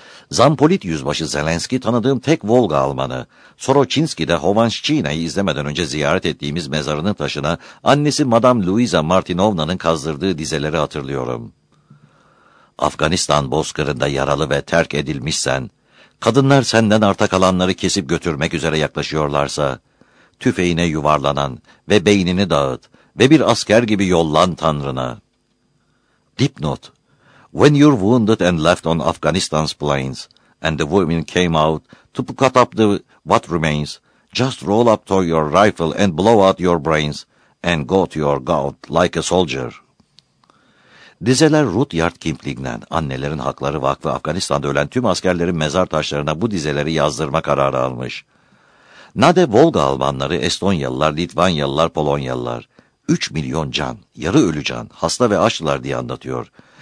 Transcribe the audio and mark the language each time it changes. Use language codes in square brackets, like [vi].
[tr] Zampolit Yüzbaşı Zelenski tanıdığım tek Volga Almanı. Soroçinski'de Hovanşçina'yı izlemeden önce ziyaret ettiğimiz mezarının taşına annesi Madame Luisa Martinovna'nın kazdırdığı dizeleri hatırlıyorum. Afganistan bozkırında yaralı ve terk edilmişsen, kadınlar senden arta kalanları kesip götürmek üzere yaklaşıyorlarsa, tüfeğine yuvarlanan ve beynini dağıt ve bir asker gibi yollan Tanrı'na. [en] Dipnot: When you're wounded and left on Afghanistan's plains, and the women came out to cut up the what remains, just roll up to your rifle and blow out your brains, and go to your God like a soldier. [tr] Dizeler Rudyard Kipling'den, Annelerin Hakları Vakfı Afganistan'da ölen tüm askerlerin mezar taşlarına bu dizeleri yazdırma kararı almış. Nade Volga Almanları, Estonyalılar, Litvanyalılar, Polonyalılar, 3 milyon can, yarı ölü can, hasta ve açlılar diye anlatıyor.